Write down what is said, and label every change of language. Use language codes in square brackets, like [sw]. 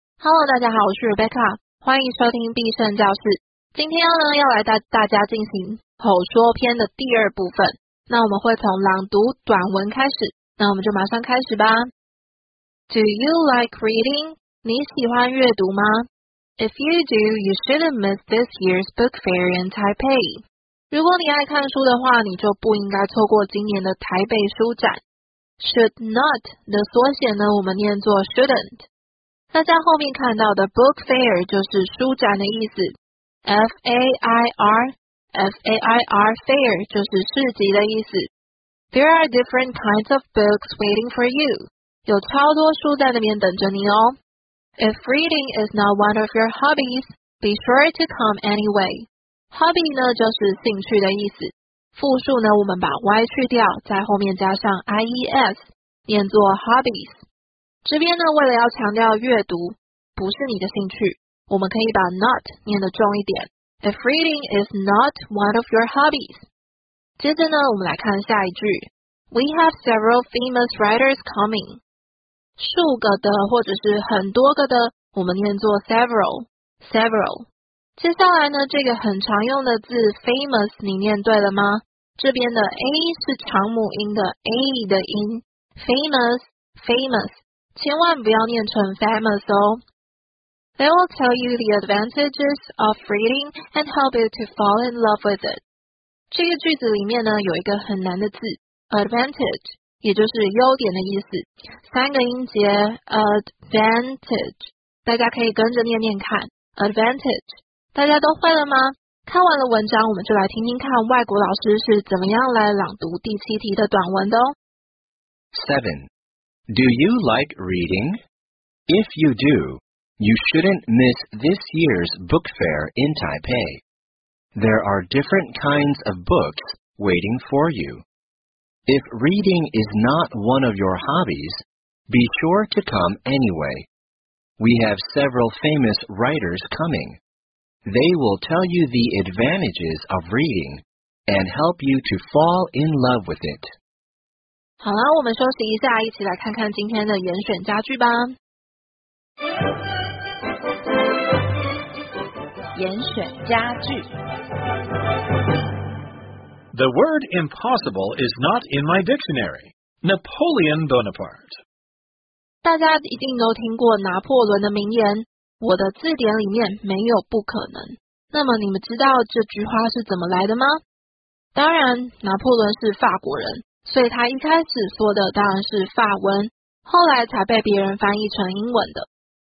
[zh] Hello， 大家好，我是 Rebecca， 欢迎收听必胜教室。今天呢，要来带大家进行口说篇的第二部分。那我们会从朗读短文开始，那我们就马上开始吧。 [en] Do you like reading? [zh] 你喜欢阅读吗？ [en] If you do, you shouldn't miss this year's book fair in Taipei. [zh] 如果你爱看书的话，你就不应该错过今年的台北书展。 Should not 的缩写呢，我们念作 shouldn't。大家后面看到的 book fair 就是书展的意思， F-A-I-R fair 就是市集的意思。 [en] There are different kinds of books waiting for you， [zh] 有超多书在那边等着你哦。 [en] If reading is not one of your hobbies， be sure to come anyway。 [zh] Hobby 呢就是兴趣的意思，复数呢我们把 Y 去掉，在后面加上 I-E-S， 念作 hobbies。这边呢，为了要强调阅读不是你的兴趣，我们可以把 not 念得重一点。 [en] If reading is not one of your hobbies. [zh] 接着呢，我们来看下一句。 [en] We have several famous writers coming. [zh] 数个的或者是很多个的，我们念作 several, several. 接下来呢，这个很常用的字 famous 你念对了吗？这边的 A 是长母音的 A 的音， famous, famous. 千万不要念成 famous 哦。 [en] They will tell you the advantages of reading and help you to fall in love with it. [zh] 这个句子里面呢，有一个很难的字 advantage， 也就是优点的意思。三个音节 advantage， 大家可以跟着念念看 advantage。大家都会了吗？看完了文章，我们就来听听看外国老师是怎么样来朗读第七题的短文的哦。 [en] Seven. Do you like reading? If you do, you shouldn't miss this year's book fair in Taipei. There are different kinds of books waiting for you. If reading is not one of your hobbies, be sure to come anyway. We have several famous writers coming. They will tell you the advantages of reading and help you to fall in love with it. [zh] 好了，我们休息一下，一起来看看今天的严选佳句吧。严选佳句。 [en] The word impossible is not in my dictionary. Napoleon Bonaparte. [zh] 大家一定都听过拿破仑的名言，我的字典里面没有不可能。那么你们知道这句话是怎么来的吗？当然，拿破仑是法国人。所以他一开始说的当然是法文，后来才被别人翻译成英文的。